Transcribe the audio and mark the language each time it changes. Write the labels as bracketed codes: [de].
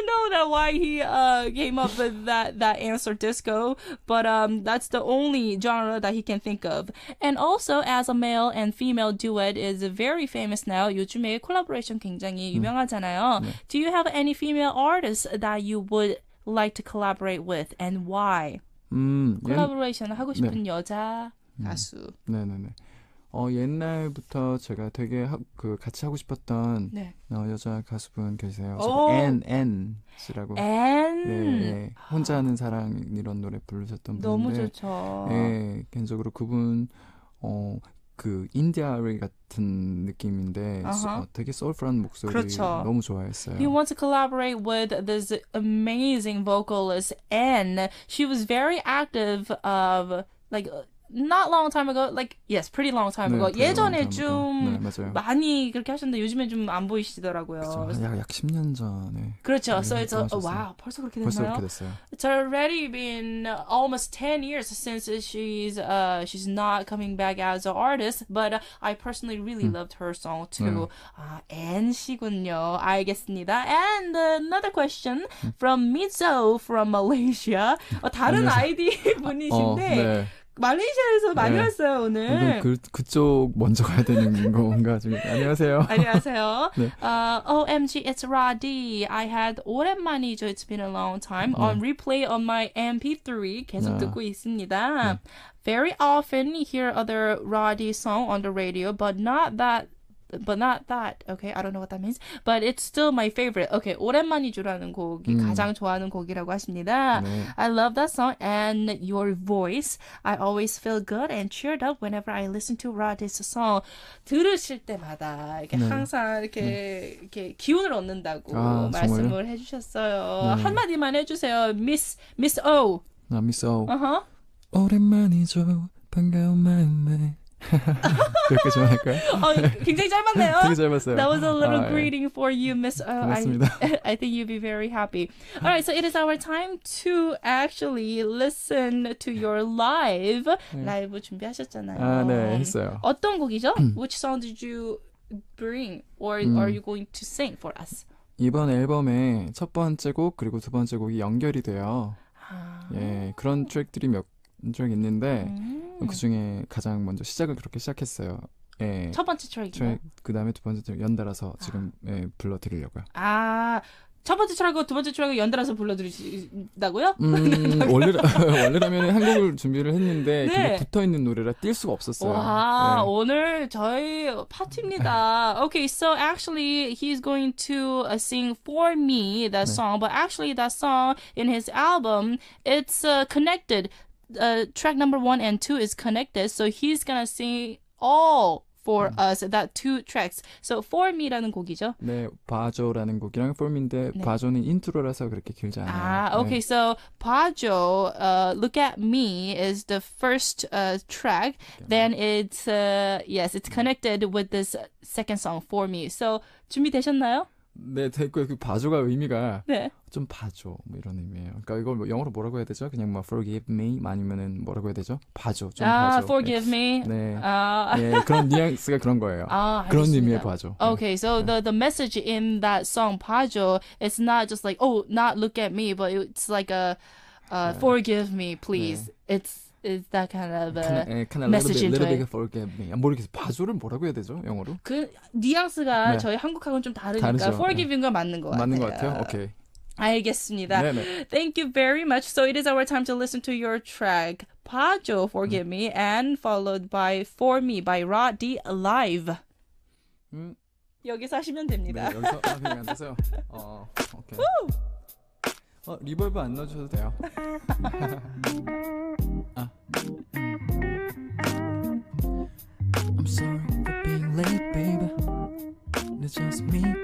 [en] That why he came up with that answer disco, but that's the only genre that he can think of. And also, as a male and female duet is very famous now. [ko] 요즘에 collaboration 굉장히 유명하잖아요. 네. [en] Do you have any female artists that you would like to collaborate with, and why? [ko] Collaboration 하고 싶은 네. 여자 가수. 네. 옛날부터 제가 되게 그 같이 하고 싶었던 네. 여자 가수분 계세요. 엔엔이라고. 엔. 네, 네. 혼자 하는 사랑 이런 노래 부르셨던 분인데. 너무 좋죠. 예. 네, 개인적으로 그분 그 인디아리 같은 느낌인데 되게 소울풀한 목소리 그렇죠. 너무 좋아했어요. [en] He wants to collaborate with this amazing vocalist N. She was very active of like Not long time ago, like, yes, pretty long time ago. [ko] 네, 예전에 좀 네, 많이 그렇게 하셨는데 요즘에 좀 안 보이시더라고요. 그렇죠. 약 10년 전에. [en] 그렇죠. So it's a, oh, wow, [ko] 벌써 그렇게 됐나요? 벌써 그렇게 됐어요. [en] It's already been almost 10 years since she's not coming back as an artist, but I personally really loved her song too. [ko] 엔씨군요. 알겠습니다. [en] And another question from Mizo from Malaysia. [ko] 다른 아이디 분이신데. 말레이시아에서 많이 네. 왔어요, 오늘. 그쪽 먼저 가야 되는 건가? 지금. 안녕하세요. 안녕하세요. [en] 네. OMG, it's Ra.D. I had 오랜만이죠. It's been a long time. On replay on my MP3 [ko] 계속 듣고 있습니다. [en] 네. Very often hear other Ra.D song on the radio, but not that. Okay, I don't know what that means. But it's still my favorite. [ko] Okay, 오랜만이죠라는 곡이 가장 좋아하는 곡이라고 하십니다. 네. [en] I love that song and your voice. I always feel good and cheered up whenever I listen to Ra.D's song. [ko] 들으실 때마다 이렇게 네. 항상 이렇게 이렇게 기운을 얻는다고 아, 말씀을 정말요? 해주셨어요. 네. 한 마디만 해주세요, Miss O. 나 Miss O. 어허. 오랜만이죠. 반가운 마음에. 그렇게 좀 할까요? 굉장히 짧았네요. 되게 짧았어요. [en] That was a little greeting for you, Miss O. [ko] 고맙습니다. [en] I think you'll be very happy. All right, so it is our time to actually listen to your live. [ko] 네. 라이브 준비하셨잖아요. 아, 네, 했어요. 어떤 곡이죠? [en] Which song did you bring or are you going to sing for us? [ko] 이번 앨범의 첫 번째 곡 그리고 두 번째 곡이 연결이 돼요. 아. 예, 그런 트랙들이 몇 트랙이 있는데 그 중에 가장 먼저 시작을 그렇게 시작했어요. 예. 첫 번째 트랙이요? 그 다음에 두 번째 트랙 연달아서 지금 아. 예, 불러드리려고요. 아, 첫 번째 트랙하고 두 번째 트랙을 연달아서 불러드리신다고요? 원래라면 한 곡을 준비를 했는데 네. 붙어있는 노래라 뛸 수가 없었어요. 와, 예. 오늘 저희 파티입니다. [en] Okay, so actually he's going to sing For Me, that 네. song. But actually that song in his album, it's connected. Track number one and two is connected. So he's going to sing all for us, that two tracks. [ko] So For Me라는 곡이죠? 네, 봐줘라는 곡이랑 For Me인데 네. 봐줘는 인트로라서 그렇게 길지 않아요. 아, okay. 네. [en] So 봐줘, Look at Me is the first track. Okay. Then it's, yes, it's connected with this second song, For Me. [ko] So 준비되셨나요? 네, 됐고요. 그 봐줘가 의미가 네. 좀 봐줘 뭐 이런 의미예요. 그러니까 이걸 뭐 영어로 뭐라고 해야 되죠? 그냥 뭐 [en] forgive me [ko] 아니면은 뭐라고 해야 되죠? 봐줘, 좀 아, 봐줘. [en] Forgive [ko] 네. [en] me. [ko] 네. 네, 그런 뉘앙스가 그런 거예요. 아, 그런 알겠습니다. 의미의 봐줘. [en] Okay, so 네. the message in that song 봐줘, it's not just like oh not look at me, but it's like a forgive me please. [ko] 네. [en] It's that kind of a kind of message little bit, into little it. Forgive me. [ko] 모르겠어요. 봐줘를 뭐라고 해야 되죠? 영어로? 그 뉘앙스가 네. 저희 한국하고는 좀 다르니까 다르죠. forgiving과 네. 맞는 거 같아요. 맞는 거 같아요? 오케이. Okay. 알겠습니다. 네, 네. [en] Thank you very much. So it is our time to listen to your track. 봐줘, forgive me. And followed by For Me by Ra.D Live. [ko] 여기서 하시면 됩니다. 네, 여기서 하시면 되세요. 오케이. 리버브 안 넣어주셔도 돼요. [en] 아. I'm sorry for being late, baby. It's just me.